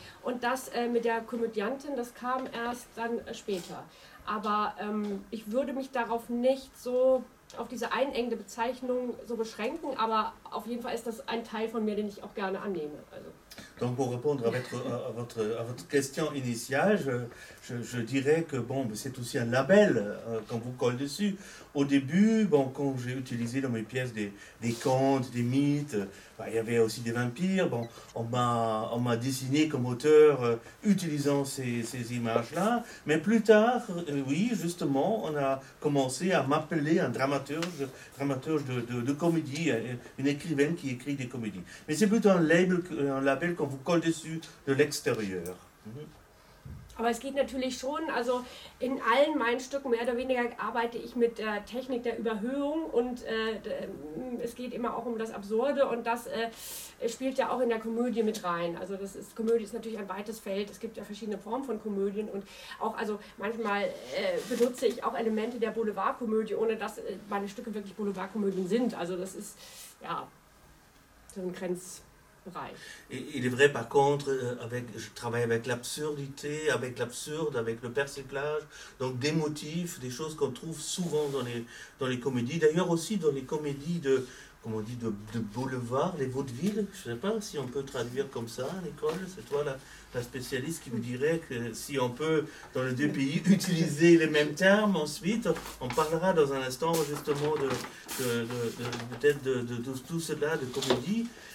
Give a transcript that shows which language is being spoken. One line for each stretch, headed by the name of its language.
German: Und das mit der Komödiantin, das kam erst dann später. Aber ich würde mich darauf nicht so, auf diese einengende Bezeichnung so beschränken, aber auf jeden Fall ist das ein Teil von mir, den ich auch gerne annehme. Also.
French: Donc pour répondre à votre question initiale, je dirais que bon, c'est aussi un label qu'on vous colle dessus. Au début, bon, quand j'ai utilisé dans mes pièces des contes, des mythes, bah, il y avait aussi des vampires. Bon, on m'a dessiné comme auteur utilisant ces images-là. Mais plus tard, oui, justement, on a commencé à m'appeler un dramaturge de comédie, une écrivaine qui écrit des comédies. Mais c'est plutôt un label qu'on vous colle dessus de l'extérieur.
German: Aber es geht natürlich schon, also in allen meinen Stücken mehr oder weniger arbeite ich mit der Technik der Überhöhung und es geht immer auch um das Absurde und das spielt ja auch in der Komödie mit rein. Also Komödie ist natürlich ein weites Feld, es gibt ja verschiedene Formen von Komödien und auch, also manchmal benutze ich auch Elemente der Boulevardkomödie, ohne dass meine Stücke wirklich Boulevardkomödien sind. Also das ist, ja, so ein Grenz.
French: Il est vrai, par contre, je travaille avec l'absurdité, avec l'absurde, avec le persiflage, donc des motifs, des choses qu'on trouve souvent dans les comédies. D'ailleurs aussi dans les comédies de boulevard, les vaudevilles, je ne sais pas si on peut traduire comme ça, Nicole, c'est toi la spécialiste qui me dirait que si on peut, dans les deux pays, utiliser les mêmes termes ensuite, on parlera dans un instant justement de tout cela, de comédie.